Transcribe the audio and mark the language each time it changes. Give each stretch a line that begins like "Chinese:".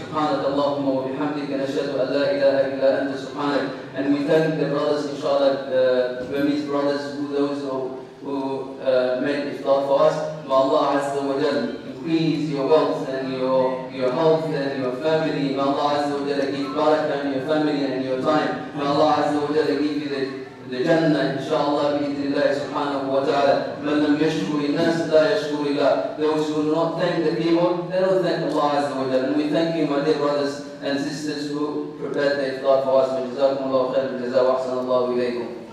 Arabic: سبحانك اللهم وبحمدك نشهد أن لا إله إلا أنت سبحانك.
English: And we thank the brothers, inshallah, the Burmese brothers, who those who made iftar for us. May Allah Azza wa Jalla increase your wealth and your health and your family. May Allah Azza wa Jalla give barakah in your family and your time. May Allah Azza wa Jalla give you the Jannah, inshallah,
Arabic: بإذن الله سبحانه وتعالى. من لم يشكر الناس لا يشكر الله.
English: Those who will not thank the people, they don't thank Allah Azza wa Jalla. And we thank you, my dear brothers and sisters, who prepared the iftar for us.
Arabic: جزاكم الله خير الجزاء وأحسن الله إليكم.